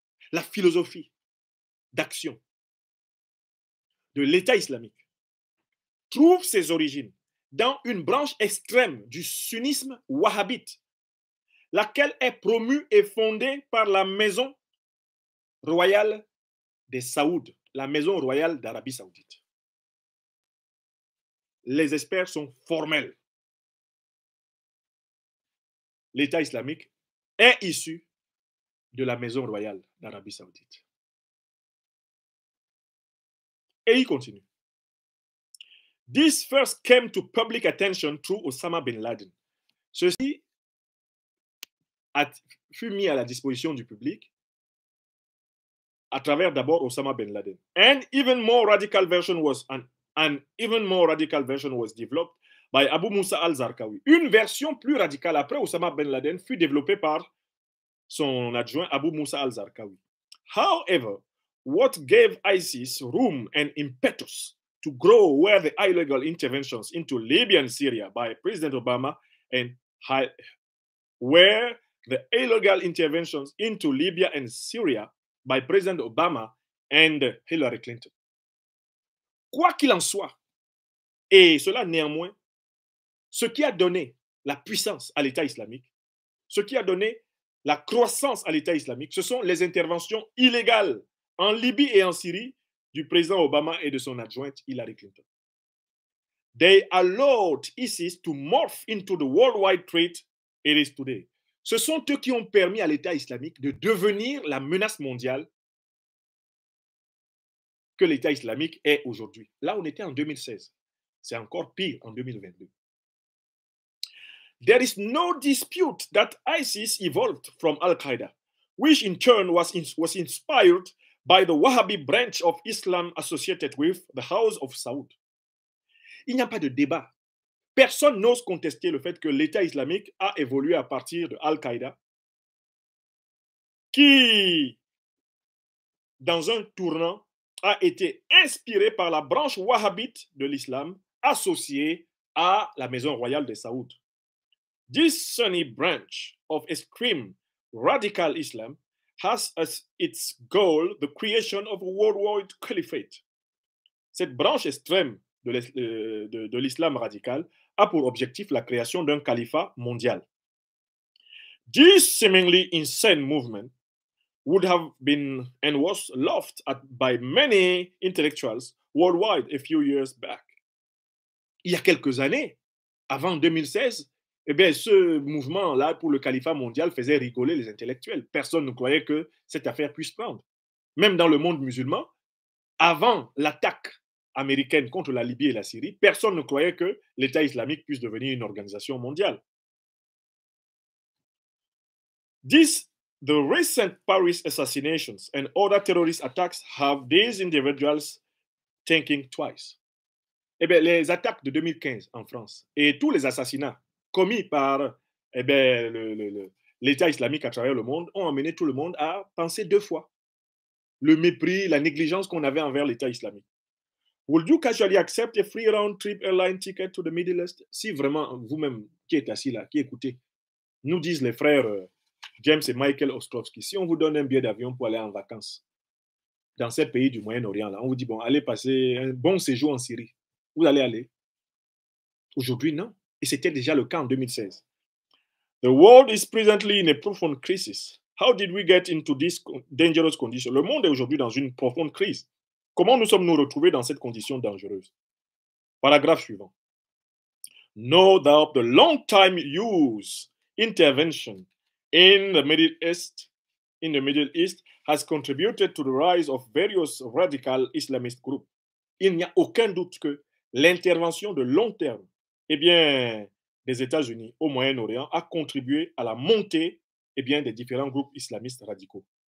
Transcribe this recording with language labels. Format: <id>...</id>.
<fr>La philosophie d'action de l'État islamique trouve ses origines dans une branche extrême du sunnisme wahhabite, laquelle est promue et fondée par la maison royale des Saouds, la maison royale d'Arabie Saoudite. Les experts sont formels. L'État islamique est issu de la maison royale d'Arabie Saoudite. Et il continue.</fr> <en>This first came to public attention through Osama bin Laden.</en> <fr>Ceci fut mis à la disposition du public à travers d'abord Osama bin Laden.</fr> <en>An even more radical version was developed by Abu Musa al-Zarqawi.</en> <fr>Une version plus radicale après Osama bin Laden fut développée par son adjoint Abu Musa al-Zarqawi.</fr> <en>However, what gave ISIS room and impetus to grow were the illegal interventions into Libya and Syria by President Obama and Hillary Clinton.</en> <fr>Quoi qu'il en soit, et cela néanmoins, ce qui a donné la puissance à l'État islamique, ce qui a donné la croissance à l'État islamique, ce sont les interventions illégales en Libye et en Syrie du président Obama et de son adjointe Hillary Clinton.</fr> <en>They allowed ISIS to morph into the worldwide threat it is today.</en> <fr>Ce sont eux qui ont permis à l'État islamique de devenir la menace mondiale que l'État islamique est aujourd'hui. Là, on était en 2016. C'est encore pire en 2022.</fr> <en>There is no dispute that ISIS evolved from Al-Qaeda, which in turn was inspired by the Wahhabi branch of Islam associated with the House of Saud.</en> <fr>Il n'y a pas de débat. Personne n'ose contester le fait que l'État islamique a évolué à partir de Al-Qaïda, qui, dans un tournant, a été inspiré par la branche wahhabite de l'islam associée à la maison royale des Saouds.</fr> <en>This Sunni branch of extreme radical Islam has as its goal the creation of a worldwide caliphate.</en> <fr>Cette branche extrême de l'islam radical a pour objectif la création d'un califat mondial.</fr> <en>This seemingly insane movement would have been and was laughed at by many intellectuals worldwide a few years back.</en> <fr>Il y a quelques années, avant 2016, eh bien, ce mouvement-là pour le califat mondial faisait rigoler les intellectuels. Personne ne croyait que cette affaire puisse prendre. Même dans le monde musulman, avant l'attaque américaine contre la Libye et la Syrie, personne ne croyait que l'État islamique puisse devenir une organisation mondiale.</fr> <en>The recent Paris assassinations and other terrorist attacks have these individuals thinking twice.</en> <fr>Eh bien, les attaques de 2015 en France et tous les assassinats commis par l'État islamique à travers le monde ont amené tout le monde à penser deux fois le mépris, la négligence qu'on avait envers l'État islamique.</fr> <en>Would you casually accept a free round trip airline ticket to the Middle East?</en> <fr>Si vraiment vous-même qui êtes assis là, qui écoutez, nous disent les frères James et Michael Ostrowski, si on vous donne un billet d'avion pour aller en vacances dans ces pays du Moyen-Orient, là, on vous dit, bon, allez passer un bon séjour en Syrie. Vous allez aller. Aujourd'hui, non. Et c'était déjà le cas en 2016.</fr> <en>The world is presently in a profound crisis. How did we get into this dangerous condition?</en> <fr>Le monde est aujourd'hui dans une profonde crise. Comment nous sommes-nous retrouvés dans cette condition dangereuse? Paragraphe suivant.</fr> <en>No doubt the long time use intervention in the Middle East has contributed to the rise of various radical Islamist groups.</en> <fr>Il n'y a aucun doute que l'intervention de long terme, des États-Unis au Moyen-Orient a contribué à la montée, des différents groupes islamistes radicaux.</fr>